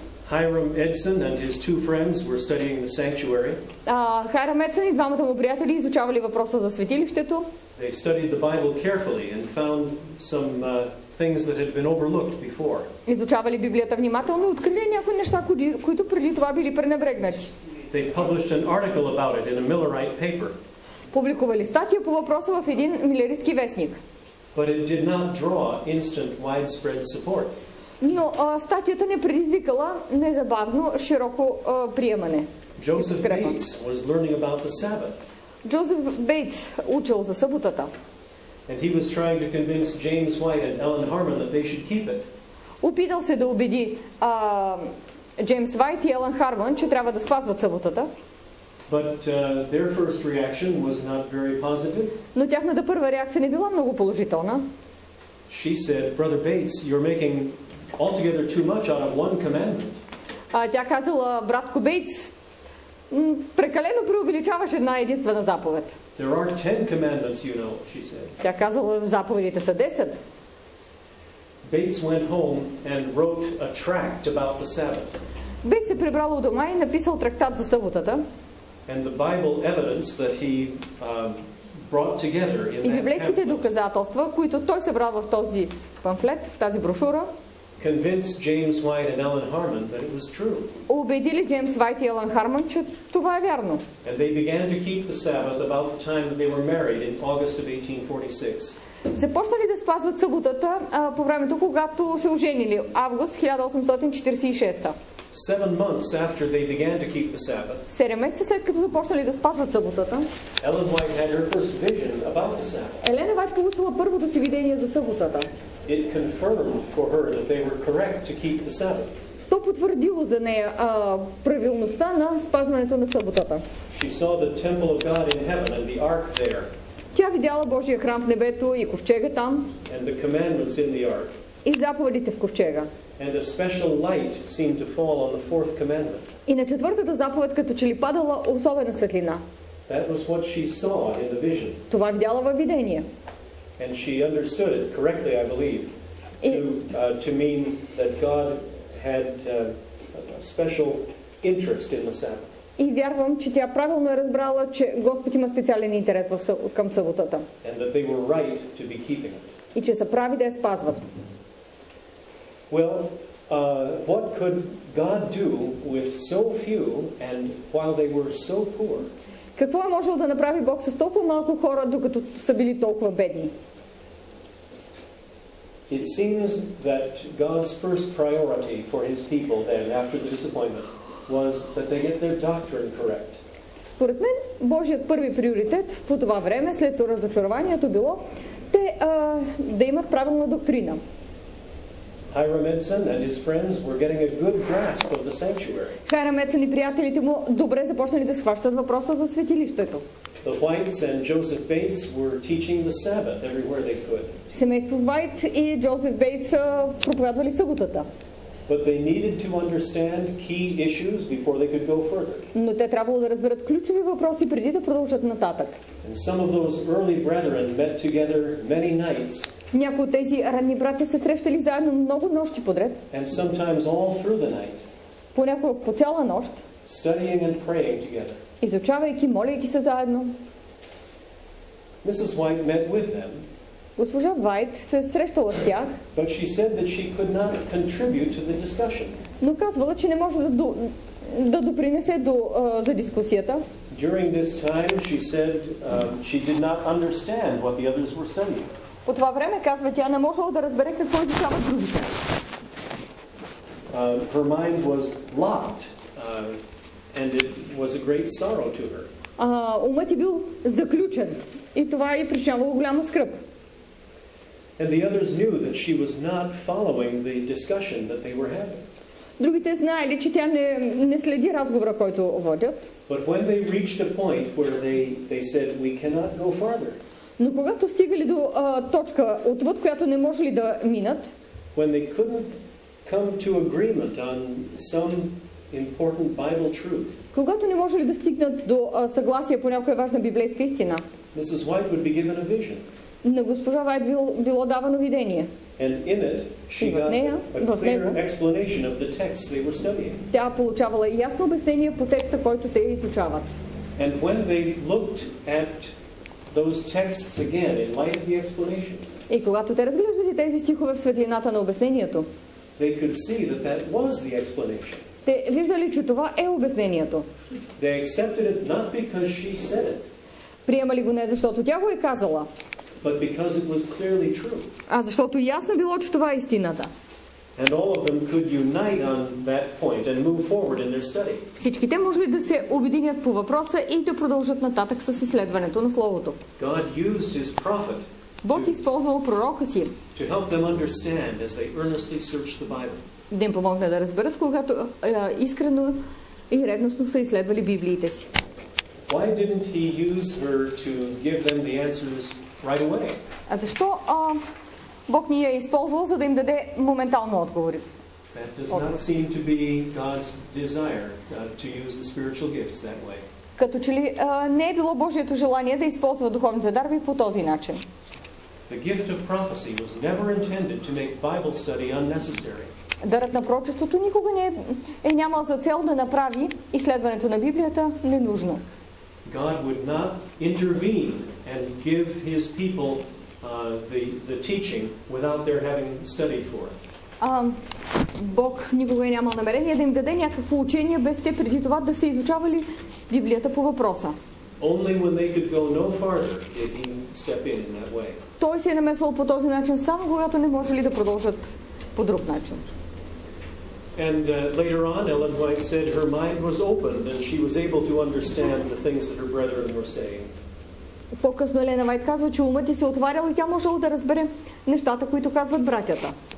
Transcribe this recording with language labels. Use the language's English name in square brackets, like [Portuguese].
[English] Hiram Edson and his two friends were studying the sanctuary. [Bulgarian] Хайрам Едсън и двамата му приятели изучавали въпроса за светилището. [English] They studied the Bible carefully and found some things that had been overlooked before. [Bulgarian] Изучавали Библията внимателно и открили някои неща, които преди това били пренебрегнати. [English] They published an article about it in a Millerite paper. [Bulgarian] Публикували статия по въпроса в един милеристски вестник. [English] But it did not draw instant widespread support. [Bulgarian] Но статията не предизвикала незабавно широко приемане. [English] Joseph Bates was learning about the Sabbath. [Bulgarian] Joseph Bates учил за съботата. [English] And he was trying to convince James White and Ellen Harmon that they should keep it. [Bulgarian] Опитал се да убеди Джеймс Вайт и Елън Харман, че трябва да спазват съботата. [English] But their first reaction was not very positive. [Bulgarian] Но тяхната първа реакция не била много положителна. [English] She said, "Brother Bates, you're making altogether too much out of one commandment." [Bulgarian] Тя казала, братко Бейтс, прекалено преувеличаваш една единствена заповед. [English] There are 10 commandments, you know, she said. [Bulgarian] Тя казала, заповедите са 10. [English] Bates went home and wrote a tract about the Sabbath. [Bulgarian] Бейтс се прибрал у дома и написал трактат за съботата. [English] And the Bible evidence that he brought together in that pamphlet. [Bulgarian] И библейските доказателства, които той събрал в този памфлет, в тази брошура, [English] convinced James White and Ellen Harmon that it was true. [Bulgarian] Убедили Джеймс Вайт и Елън Харман, че това е вярно. [English] And they began to keep the Sabbath about the time that they were married in August of 1846. [Bulgarian] Започнали да спазват съботата по времето, когато се оженили, август 1846. [English] 7 months after they began to keep the Sabbath. [Bulgarian] 7 месеца след като започнали да спазват съботата. [English] Ellen White had her first vision about the Sabbath. [Bulgarian] Елена Вайт получила първото си видение за съботата. [English] It confirmed for her that they were correct to keep the Sabbath. [Bulgarian] То потвърдило за нея правилността на спазването на съботата. [English] She saw the temple of God in heaven and the ark there. [Bulgarian] Тя видяла Божия храм в небето и ковчега там. [English] And the commandments in the ark. [Bulgarian] И заповедите в ковчега. [English] And a special light seemed to fall on the fourth commandment. [Bulgarian] И на четвъртата заповед като че ли падала особена светлина. [English] That was what she saw in the vision. [Bulgarian] Това видяла във видение. [English] And she understood it correctly, I believe, to mean that God had a special interest in the Sabbath. [Bulgarian] И вярвам, че тя правилно е разбрала, че Господ има специален интерес към съботата. [English] And that they were right to be keeping it. [Bulgarian] И че са прави да я спазват. [English] Well, what could God do with so few and while they were so poor? [Bulgarian] Какво е можел да направи Бог с толкова малко хора, докато са били толкова бедни? [English] It seems that God's first priority for his people then after the disappointment was that they get their doctrine correct. [Bulgarian] Според мен, Божият първи приоритет по това време, след разочарованието, било те да имат правилна доктрина. [English] Hiram Edson and his friends were getting a good grasp of the sanctuary. [Bulgarian] Hiram Edson и приятелите му добре започнали да схващат въпроса за светилището. [English] The Whites and Joseph Bates were teaching the Sabbath everywhere they could. [Bulgarian] Семейство Уайт и Джозеф Бейтс проповядвали съботата. [English] But they needed to understand key issues before they could go further. [Bulgarian] Но те трябвало да разберат ключови въпроси преди да продължат нататък. [English] And some of those early brethren met together many nights. [Bulgarian] Някои от тези ранни братя се срещали заедно много нощи подред. [English] And sometimes all through the night. [Bulgarian] Понякога по цяла нощ. [English] Studying and praying together. [Bulgarian] Изучавайки, молейки се заедно. [English] Mrs. White met with them. [Bulgarian] Госпожа Вайт се срещала с тях. [English] But she said that she could not contribute to the discussion. [Bulgarian] Но казвала, че не може да допринесе до за дискусията. [English] During this time she said she did not understand what the others were studying. [Bulgarian] По това време, казва тя, не можела да разбере какво изучават другите. [English] Her mind was locked, and it was a great sorrow to her. [Bulgarian] Умът ѝ бил заключен и това ѝ причинявало голяма скръб. [English] And the others knew that she was not following the discussion that they were having. [Bulgarian] Другите знаели, че тя не следи разговора, който водят. [English] But when they reached a point where they said, we cannot go farther. [Bulgarian] Но когато стигали до точка, отвъд която не можели да минат, [English] when they couldn't come to agreement on some important Bible truth. [Bulgarian] Когато не можели да стигнат до съгласие по някоя важна библейска истина, [English] Mrs. White would be given a vision. [Bulgarian] На госпожа Вайт било давано видение. [English] And in it she got a clear explanation of the text they were studying. [Bulgarian] Тя получавала ясно обяснение по текста, който те изучават. [English] And when they looked at those texts again in light of the explanation. [Bulgarian] И когато те разглеждали тези стихове в светлината на обяснението, [English] they could see that that was the explanation. [Bulgarian] Те виждали, че това е обяснението. [English] They accepted it not because she said it. [Bulgarian] Приемали го не защото тя го е казала. [English] But because it was clearly true. [Bulgarian] А защото ясно било, че това е истината. [English] And all of them could unite on that point and move forward in their study. [Bulgarian] Всичките можели да се обединят по въпроса и да продължат нататък с изследването на словото. [English] God used his prophet. [Bulgarian] Бог използвал пророка си. [English] To help them understand as they earnestly searched the Bible. [Bulgarian] Да им помогне да разберат, когато искрено и ревностно са изследвали библиите си. [English] Why didn't he use her to give them the answers? Right away. [Bulgarian] А защо Бог ни е използвал, за да им даде моментално отговори? [English] That does not seem to be God's desire to use the spiritual gifts that way. [Bulgarian] Като че ли не е било Божието желание да използва духовните дарби по този начин? [English] The gift of prophecy was never intended to make Bible study unnecessary. [Bulgarian] Дарът на пророчеството никога не е нямал за цел да направи изследването на Библията ненужно. [English] God would not intervene and give his people the teaching without their having studied for it. [Bulgarian] Бог никога е нямал намерение да им даде някакво учение без те преди това да са изучавали Библията по въпроса. [English] Only when they could go no farther did he step in that way. [Bulgarian] Той се е намесвал по този начин само когато не можели да продължат по друг начин. [English] And later on, Ellen White said her mind was opened and she was able to understand the things that her brethren were saying. [Bulgarian] По-късно Елена Вайт казва, че умът ѝ се отварял и тя можела да разбере нещата, които казват братята.